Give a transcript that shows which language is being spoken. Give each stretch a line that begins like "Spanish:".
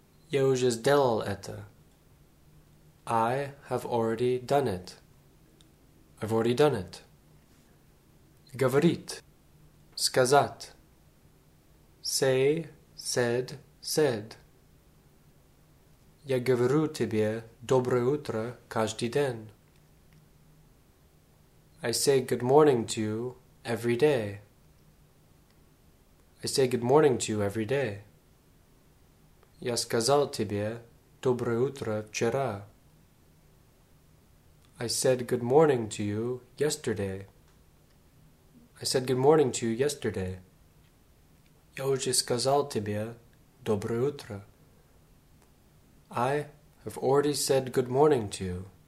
Russian: Я уже сделал это.
English: I have already done it. I've already done it.
Russian: Говорит. Сказать.
English: Say, said, said.
Russian: Я говорю тебе доброе утро каждый день.
English: I say good morning to you every day. I say good morning to you every day.
Russian: Я сказал тебе доброе утро вчера.
English: I said good morning to you yesterday. I said good morning to you yesterday.
Russian: Я уже сказал тебе доброе утро.
English: I have already said good morning to you.